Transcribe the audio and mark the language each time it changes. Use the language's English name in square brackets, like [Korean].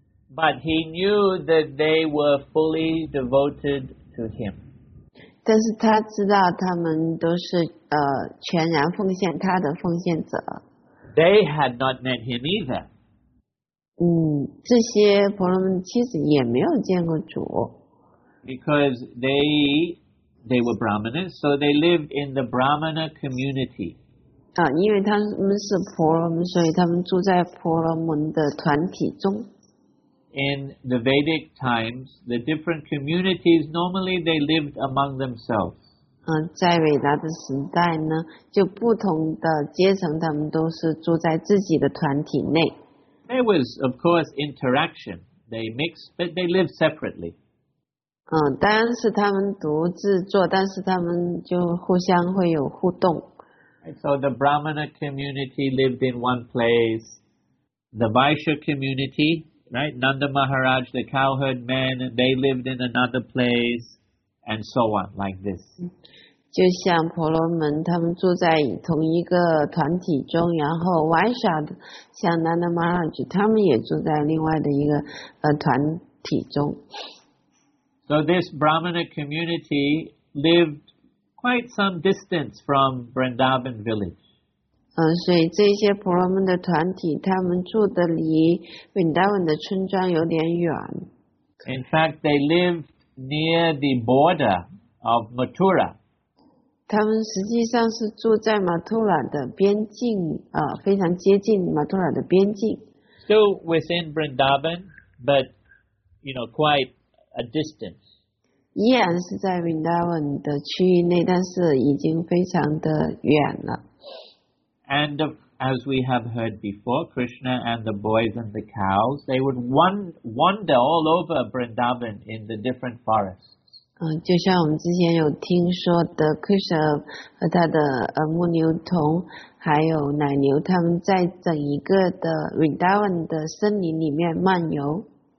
[English] But he knew that they were fully devoted to him. [Chinese] 但是他知道他们都是全然奉献他的奉献者。 [English] They had not met him either. [Chinese] 这些婆罗门妻子也没有见过主。 [English] Because they were Brahmanas, so they lived in the Brahmana community. [Chinese] 因为他们是婆罗门，所以他们住在婆罗门的团体中。 [English] In the Vedic times, the different communities normally they lived among themselves. [Chinese] 在伟达的时代呢，就不同的阶层，他们都是住在自己的团体内。 [English] There was, of course, interaction. They mixed, but they lived separately. [Chinese] 当然是他们独自做，但是他们就互相会有互动。 [English] So the Brahmana community lived in one place, the Vaishya community. Right, Nanda Maharaj, the cowherd men, they lived in another place, and so on, like this. [Chinese] 就像婆罗门，他们住在同一个团体中，然后 Vaishya 的，像 Nanda Maharaj, 他们也住在另外的一个团体中。 [English] So this Brahmana community lived quite some distance from Vrindavan village. [Chinese] 所以这些婆罗门的团体，他们住的离本达文的村庄有点远。 [English] In fact, they lived near the border of Mathura. [Chinese] 他们实际上是住在马图拉的边境，非常接近马图拉的边境。 [English] Still within Vrindavan, but you know, quite a distance. [Chinese] 依然是在本达文的区域内，但是已经非常的远了。 [English] And as we have heard before, Krishna and the boys and the cows, they would wander all over Vrindavan in the different forests. [Chinese] 就像我们之前有听说的 ，Krishna 和他的牧牛童还有奶牛，他们在整一个的 Vrindavan 的森林里面漫游。